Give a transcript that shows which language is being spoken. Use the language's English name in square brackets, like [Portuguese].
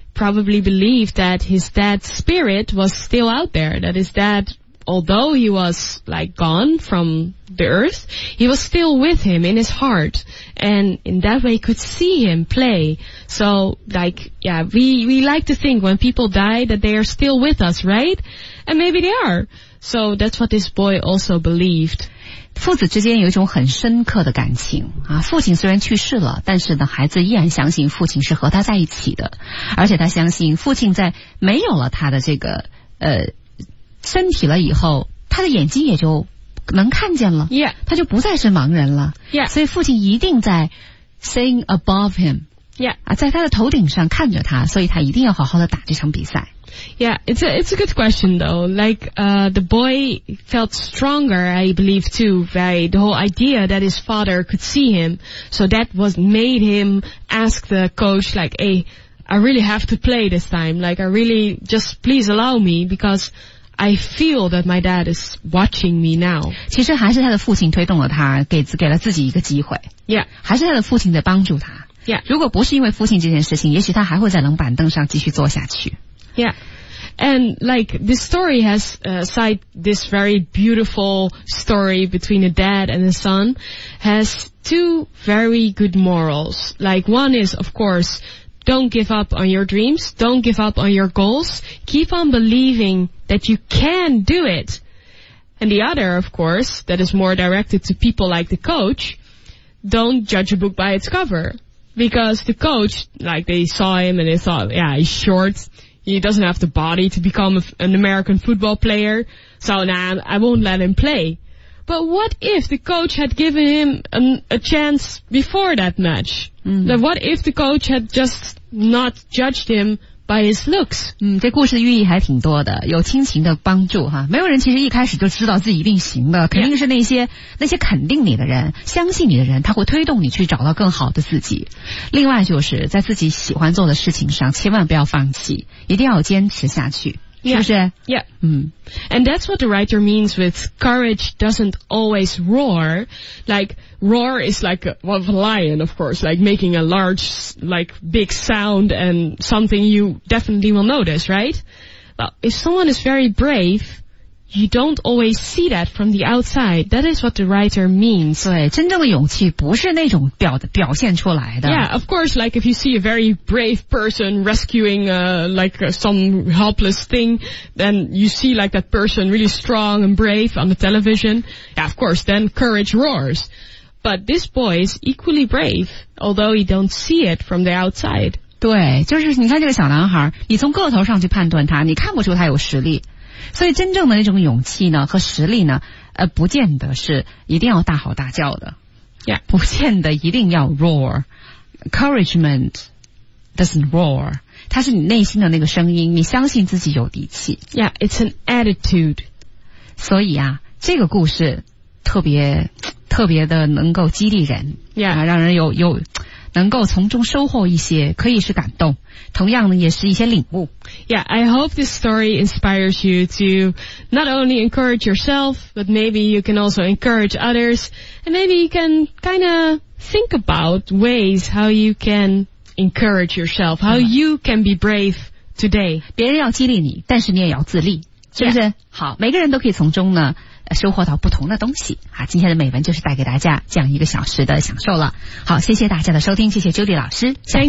[English] probably believed that his dad's spirit was still out there, that his dad, although he was like gone from the earth, he was still with him in his heart, and in that way could see him play. So like, yeah, we like to think when people die that they are still with us, right? And maybe they are. So that's what this boy also believed. [Chinese] 父子之间有一种很深刻的感情啊！父亲虽然去世了，但是呢，孩子依然相信父亲是和他在一起的，而且他相信父亲在没有了他的这个身体了以后，他的眼睛也就能看见了， [English] yeah. [Chinese] 他就不再是盲人了， [English] yeah. [Chinese] 所以父亲一定在 [English] seeing above him， yeah. [Chinese] 啊，在他的头顶上看着他，所以他一定要好好的打这场比赛。 [English] Yeah, it's a good question though. Like, the boy felt stronger, I believe too, by the whole idea that his father could see him. So that was made him ask the coach, like, hey, I really have to play this time. Like, I really, just please allow me because I feel that my dad is watching me now. [Chinese] 其实还是他的父亲推动了他，给了自己一个机会。 [English] Yeah. [Chinese] 还是他的父亲在帮助他。 [English] Yeah. [Chinese] 如果不是因为父亲这件事情，也许他还会在冷板凳上继续坐下去。 [English] Yeah, and like this story has aside this very beautiful story between a dad and a son has two very good morals. Like one is, of course, don't give up on your dreams. Don't give up on your goals. Keep on believing that you can do it. And the other, of course, that is more directed to people like the coach, don't judge a book by its cover. Because the coach, like they saw him and they thought, yeah, he's short. He doesn't have the body to become an American football player, so nah, I won't let him play. But what if the coach had given him a chance before that match? Mm. Now, what if the coach had just not judged him by his looks? [Chinese] 嗯，这故事的寓意还挺多的，有亲情的帮助哈。没有人其实一开始就知道自己一定行的，肯定是那些肯定你的人、相信你的人，他会推动你去找到更好的自己。另外就是在自己喜欢做的事情上，千万不要放弃，一定要坚持下去。 [English] Yeah. [Chinese] 是不是 [English] ？Yeah. 嗯，And that's what the writer means with courage doesn't always roar. Like roar is like a lion, of course, like making a large, like big sound and something you definitely will notice, right? Well, if someone is very brave, you don't always see that from the outside. That is what the writer means. [Chinese] 对，真正的勇气不是那种表现出来的。 [English] Yeah, of course. Like if you see a very brave person rescuing some helpless thing, then you see like that person really strong and brave on the television. Yeah, of course. Then courage roars. But this boy is equally brave, although he don't see it from the outside. [Chinese] 对，就是你看这个小男孩，你从个头上去判断他，你看不出他有实力。所以真正的那种勇气呢和实力呢不见得是一定要大吼大叫的、 [English] yeah. [Chinese] 不见得一定要 [English] roar encouragement doesn't roar [Chinese] 它是你内心的那个声音你相信自己有底气 [English] yeah it's an attitude [Chinese] 所以啊这个故事特别特别的能够激励人 [English] yeah、 [Chinese] 让人有能够从中收获一些，可以是感动，同样呢也是一些领悟。 [English] Yeah, I hope this story inspires you to not only encourage yourself, but maybe you can also encourage others, and maybe you can kind of think about ways how you can encourage yourself, how you can be brave today. [Chinese] 别人要激励你，但是你也要自立，是不是？ [English] Yeah. [Chinese] 好，每个人都可以从中呢收获到不同的东西啊！今天的美文就是带给大家这样一个小时的享受了。好，谢谢大家的收听，谢谢 Judy 老师，下次见。